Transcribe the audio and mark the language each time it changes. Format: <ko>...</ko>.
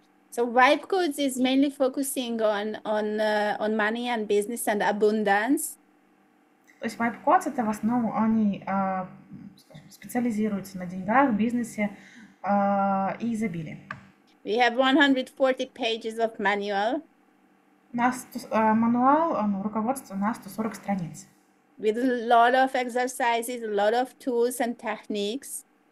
<en>So vibe codes is mainly focusing on money and business and abundance.</en> <ru>То есть вайб-курс это в основном, они, скажем, специализируются на деньгах, бизнесе, и изобилии.</ru> <en>We have 140 pages of manual</en> <ru>Руководство на 140 страниц.</ru> <en>with a lot of exercises, a lot of tools and techniques.</en>